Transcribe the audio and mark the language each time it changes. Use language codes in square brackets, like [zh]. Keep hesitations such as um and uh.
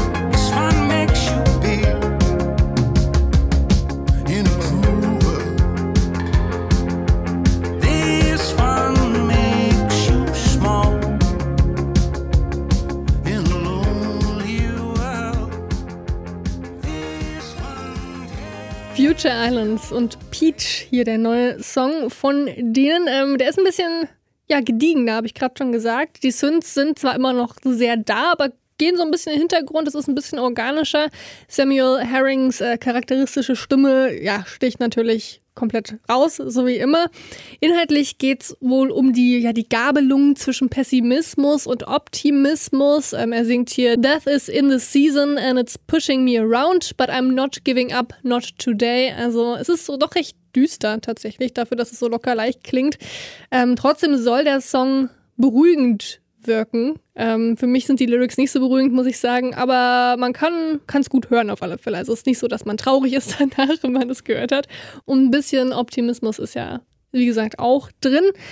[en] This one makes you big in a cruel world. This one makes you small in a lonely world. This one [de] Future Islands und Peach, hier der neue Song von denen. Ähm, der ist ein bisschen ja, gediegener, habe ich gerade schon gesagt. Die Synths sind zwar immer noch sehr da, aber gehen so ein bisschen in den Hintergrund. Es ist ein bisschen organischer. Samuel Herrings äh, charakteristische Stimme ja, sticht natürlich komplett raus, so wie immer. Inhaltlich geht es wohl um die, ja, die Gabelung zwischen Pessimismus und Optimismus. Ähm, er singt hier [en] Death is in the season and it's pushing me around, but I'm not giving up, not today. [de] Also es ist so doch recht düster tatsächlich, dafür, dass es so locker leicht klingt. Ähm, trotzdem soll der Song beruhigend wirken. Ähm, für mich sind die Lyrics nicht so beruhigend, muss ich sagen, aber man kann es gut hören auf alle Fälle. Also es ist nicht so, dass man traurig ist danach, wenn man das gehört hat. Und ein bisschen Optimismus ist ja, wie gesagt, auch drin.